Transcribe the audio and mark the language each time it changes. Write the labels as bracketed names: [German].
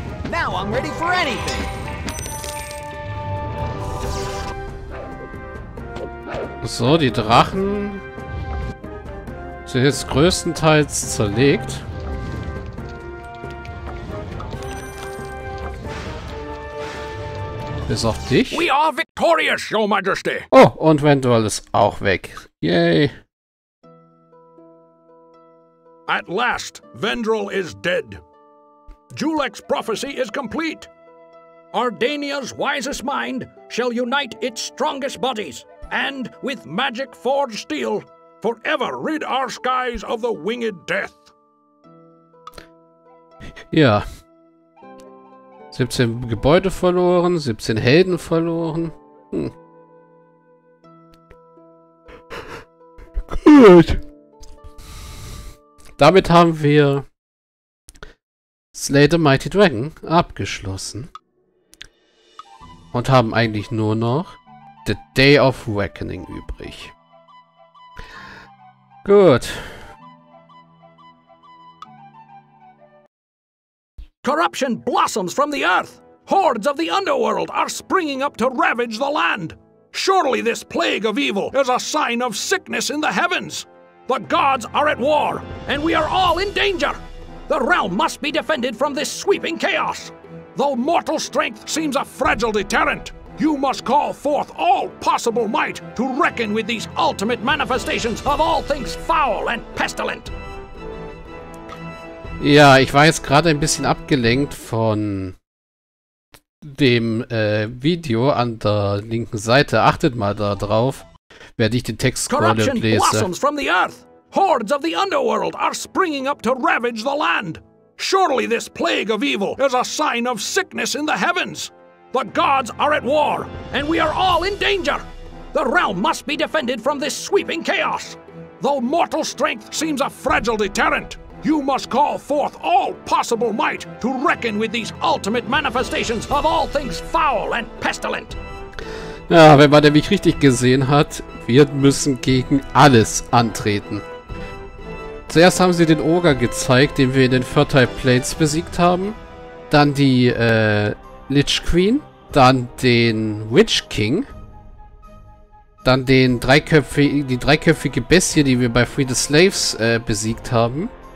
[English] Now I'm ready for anything! [German] So, die Drachen. Sind jetzt größtenteils zerlegt. Bis auf dich. [English] We are victorious, Your Majesty. [German] Oh, und Wendor ist auch weg. Yay. [English] At last, Wendor is dead. Julek's prophecy is complete. Ardania's wisest mind shall unite its strongest bodies. And with magic forged steel. Forever rid our skies of the winged death. [German] Ja. 17 Gebäude verloren, 17 Helden verloren. Gut. Damit haben wir Slay the Mighty Dragon abgeschlossen. Und haben eigentlich nur noch The Day of Reckoning übrig. Gut. [English] Corruption blossoms from the earth. Hordes of the underworld are springing up to ravage the land. Surely this plague of evil is a sign of sickness in the heavens. The gods are at war, and we are all in danger. The realm must be defended from this sweeping chaos. Though mortal strength seems a fragile deterrent. You must call forth all possible might to reckon with these ultimate manifestations of all things foul and pestilent. [German] Ja, ich war jetzt gerade ein bisschen abgelenkt von dem Video an der linken Seite. Achtet mal da drauf, während ich den Text scrolle und lese. [English] Corruption blossoms from the earth. Hordes of the underworld are springing up to ravage the land. Surely this plague of evil is a sign of sickness in the heavens. The gods are at war, and we are all in danger. The realm must be defended from this sweeping chaos. Though mortal strength seems a fragile deterrent, you must call forth all possible might to reckon with these ultimate manifestations of all things foul and pestilent. [German] Ja, wenn man nämlich richtig gesehen hat, wir müssen gegen alles antreten. Zuerst haben sie den Ogre gezeigt, den wir in den Fertile Plains besiegt haben. Dann die, Lich Queen, dann den Witch King, dann den dreiköpfige Bestie, die wir bei Free the Slaves besiegt haben.